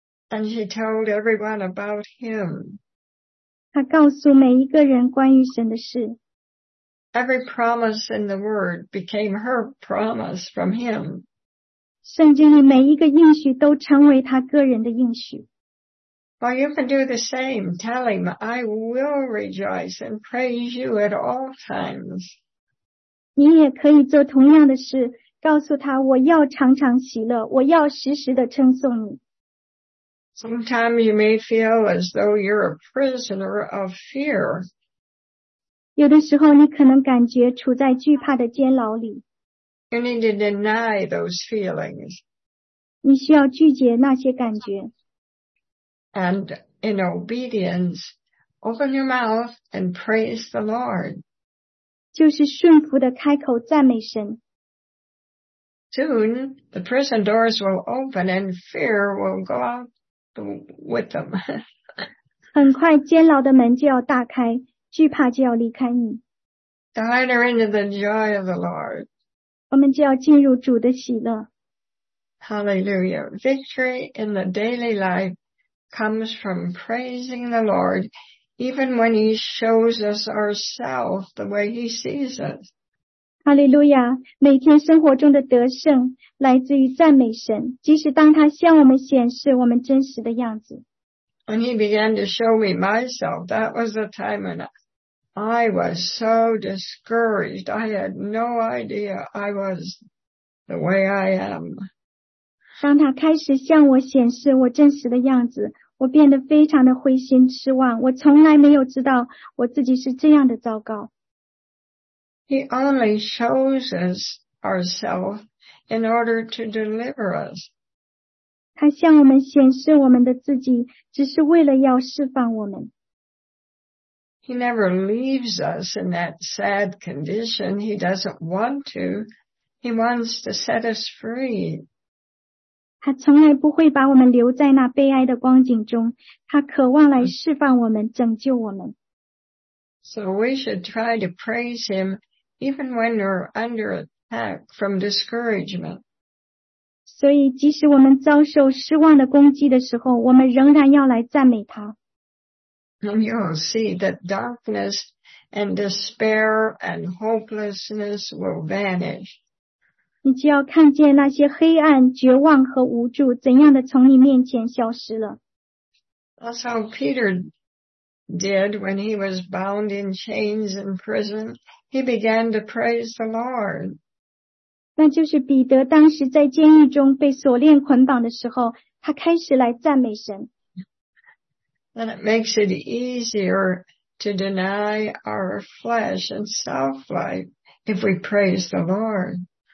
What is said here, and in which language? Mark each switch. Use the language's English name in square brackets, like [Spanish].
[English] And she told everyone about him. [Chinese] 他告诉每一个人关于神的事。 [English] Every promise in the word became her promise from him. [Chinese] 圣经里每一个应许都成为他个人的应许。 [English] Well, you can do the same. Tell him, I will rejoice and praise you at all times. [Chinese] 你也可以做同样的事，告诉他我要常常喜乐，我要时时的称颂你。 [English] Sometimes you may feel as though you're a prisoner of fear. [Chinese] 有的时候你可能感觉处在惧怕的监牢里。 [English] You need to deny those feelings. [Chinese] 你需要拒绝那些感觉。 [English] And in obedience, open your mouth and praise the Lord. [Chinese] 就是顺服地开口赞美神。 [English] Soon, the prison doors will open and fear will go out with them. [Chinese] 很快监牢的门就要大开，惧怕就要离开你。 [English] Dive into the joy of the Lord. [Chinese] 我们就要进入主的喜乐。 [English] Hallelujah. Victory in the daily life. Comes from praising the Lord, even when He shows us ourselves the way He sees us. Hallelujah! [Chinese] 每天生活中的得胜来自于赞美神，即使当他向我们显示我们真实的样子。 [English] When He began to show me myself, that was the time when I was so discouraged. I had no idea I was the way I am. [Chinese] 当他开始向我显示我真实的样子。我变得非常的灰心失望，我从来没有知道我自己是这样的糟糕。 [English] He only shows us ourselves in order to deliver us. [Chinese] 他向我们显示我们的自己，只是为了要释放我们。 [English] He never leaves us in that sad condition. He doesn't want to. He wants to set us free. [Chinese] 他从来不会把我们留在那悲哀的光景中，他渴望来释放我们，拯救我们。 [English] So we should try to praise him even when we're under attack from discouragement. [Chinese] 所以即使我们遭受失望的攻击的时候，我们仍然要来赞美他。 [English] And you'll see that darkness and despair and hopelessness will vanish. [Chinese] 你就要看见那些黑暗、绝望和无助怎样的从你面前消失了。 [English] That's how Peter did when he was bound in chains in prison. He began to praise the Lord. [Chinese] 那就是彼得当时在监狱中被锁链捆绑的时候，他开始来赞美神。 [English] And it makes it easier to deny our flesh and self-life if we praise the Lord.